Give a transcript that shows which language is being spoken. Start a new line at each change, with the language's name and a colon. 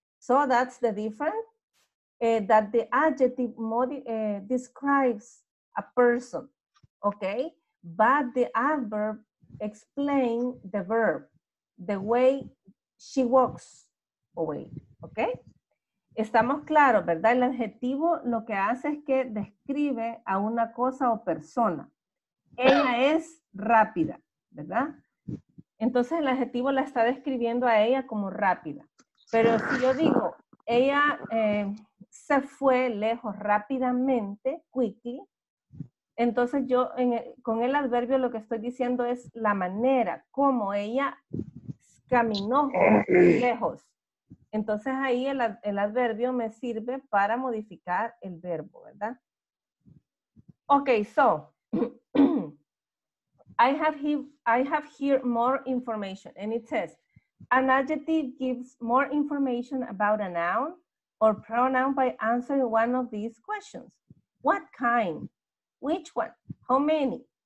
English: So that's the difference, that the adjective describes a person, okay? But the adverb explains the verb, the way she walks away, okay?
Spanish: Estamos claros, ¿verdad? El adjetivo lo que hace es que describe a una cosa o persona. Ella es rápida, ¿verdad? Entonces el adjetivo la está describiendo a ella como rápida. Pero si yo digo, ella se fue lejos rápidamente, quickly, entonces yo con el adverbio lo que estoy diciendo es la manera, cómo ella caminó lejos. Entonces ahí el adverbio me sirve para modificar el verbo, ¿verdad?
English: Ok, so, I have here more information, and it says, an adjective gives more information about a noun or pronoun by answering one of these questions. What kind? Which one? How many?